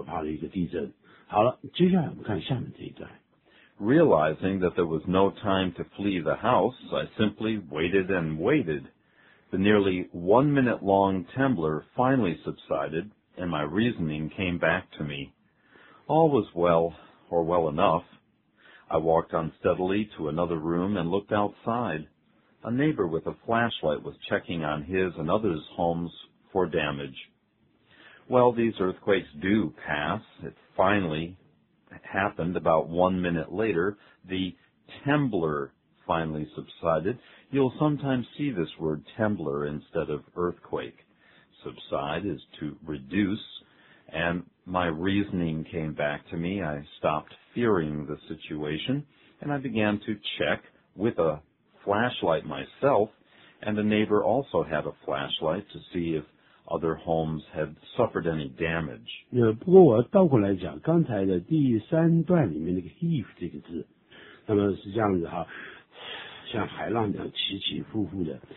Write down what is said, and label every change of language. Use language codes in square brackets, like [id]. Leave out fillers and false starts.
[zh] 可是在这个地方呢，我们要说一句话，这是真的一件事情，也就是在台湾在去年的时候发生的，好可怕的一个地震。好了，接下来我们看下面这一段。 [en] Realizing that there was no time to flee the house, I simply waited and waited. The nearly 1 minute long trembler finally subsided, and my reasoning came back to me. All was well, or well enough. I walked unsteadily to another room and looked outside. A neighbor with a flashlight was checking on his and others' homes for damage. Well, these earthquakes do pass. It finally happened about 1 minute later. The trembler finally subsided. You'll sometimes see this word trembler instead of earthquake. Subside is to reduce, and my reasoning came back to me. I stopped fearing the situation, and I began to check with a flashlight myself, and a neighbor also had a flashlight to see if other homes had suffered any damage. [zh] 不过我倒过来讲，刚才的第三段里面那个 heave 这个字，那么是这样子哈，像海浪一样起起伏伏的。